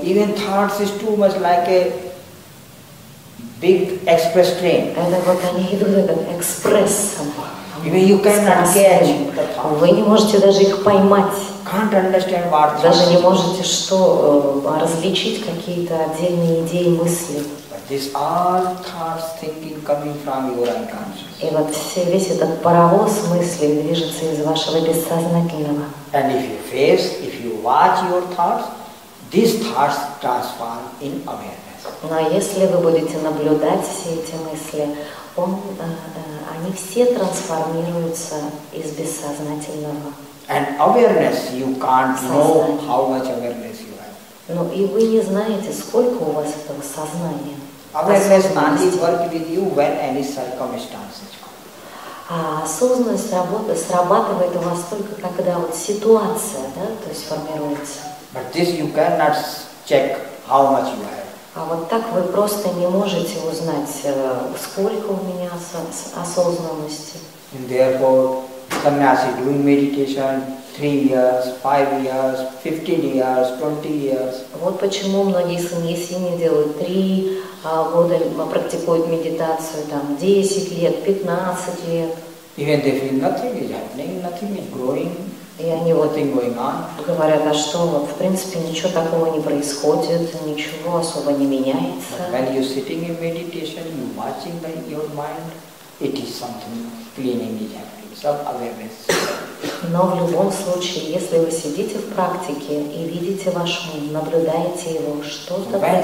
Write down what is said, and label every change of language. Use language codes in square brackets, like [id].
[en] Even thoughts is too much like a big express train. [ru] Это вот они идут этот экспресс. [en] Even you cannot catch. [ru] Вы не можете даже их поймать. [en] Can't understand what. [ru] Даже не можете что различить какие-то отдельные идеи, мысли. [en] These all thoughts thinking coming from your unconscious. [ru] И вот весь этот паровоз мыслей движется из вашего бессознательного. [en] And if you face, if you watch your thoughts, these thoughts transform in awareness. [ru] Но если вы будете наблюдать все эти мысли, они все трансформируются из бессознательного. [en] And awareness, you can't know how much awareness you have. [ru] Ну и вы не знаете, сколько у вас этого сознания. [en] Awareness only works with you when any circumstances come. [ru] А осознанность работа срабатывает у вас только когда вот ситуация, да, то есть формируется. [en] But this you cannot check how much you have. [ru] А вот так вы просто не можете узнать, сколько у меня осознанности. [en] And therefore, sannyasi doing meditation 3 years, 5 years, 15 years, 20 years. [ru] Вот почему многие саньясини делают 3 года, практикуют медитацию там 10 лет, 15 лет. [en] Even they feel nothing is happening, nothing is growing. [ru] И они вот им [en] going on. [ru] Говорят, а что вот в принципе ничего такого не происходит, ничего особо не меняется. [en] But when you're sitting in meditation, you watching by your mind, it is something cleaning is happening, some awareness. [ru] Но в любом случае, если вы сидите в практике и видите ваш ум, наблюдаете его, что-то